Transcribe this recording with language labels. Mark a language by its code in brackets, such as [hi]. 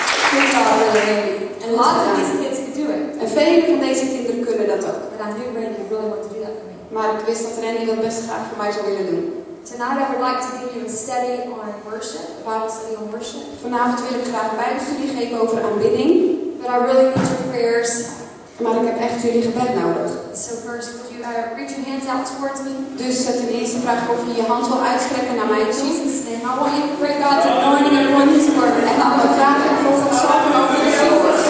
[nl] Goed gedaan, Lily. En laten we deze kids het doen. En vele van deze kinderen kunnen dat ook. Maar aan Duke Randy, ik wil hem wat doen voor mij. Maar ik wist dat Randy dat best graag voor mij zou willen doen. [en] Tonight I would like to give you a study on worship, a Bible study on worship. [nl] Vanavond wil ik graag een Bijbelstudie geven over aanbidding. [en] But I really need your prayers. [nl] Maar ik heb echt jullie gebed nodig. [en] So first, would you reach your hands out towards me? [nl] Dus ten eerste vraag ik of je je hand wil uitstrekken naar mij. [en] Jesus, I want you to pray God's anointing and want you to work. [nl] En laat me vragen of God zal over je zorgen.